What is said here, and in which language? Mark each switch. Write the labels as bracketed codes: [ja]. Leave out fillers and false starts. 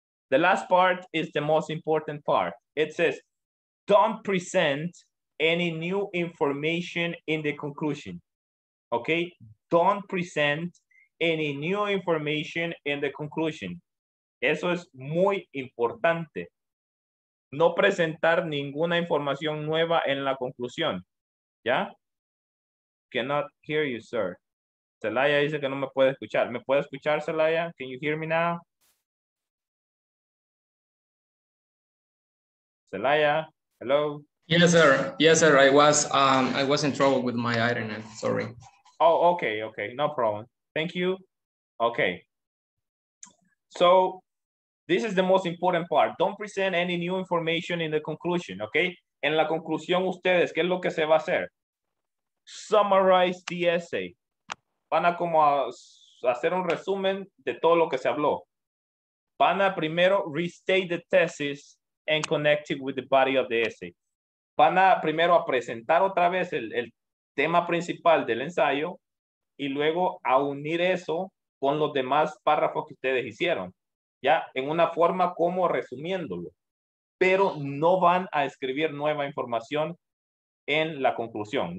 [en] The last part is the most important part. It says, don't present any new information in the conclusion. Okay. Don't present any new information in the conclusion. [es] Eso es muy importante. No presentar ninguna información nueva en la conclusión. ¿Ya? [en] Cannot hear you, sir. [es] Celaya dice que no me puede escuchar. ¿Me puede escuchar, Celaya? [en] Can you hear me now? Celaya, hello. Yes, sir. I was in trouble with my internet. Sorry. Oh, okay. No problem. Thank you. Okay. So this is the most important part. Don't present any new information in the conclusion, okay? [es] En la conclusión, ustedes, ¿qué es lo que se va a hacer? [en] Summarize the essay. [es] Van a como a hacer un resumen de todo lo que se habló. Van a primero [en] restate the thesis and connect it with the body of the essay. [es] Van a primero a presentar otra vez el tema principal del ensayo y luego a unir eso con los demás párrafos que ustedes hicieron. Ya, en una forma como resumiéndolo, pero no van a escribir nueva información en la conclusión.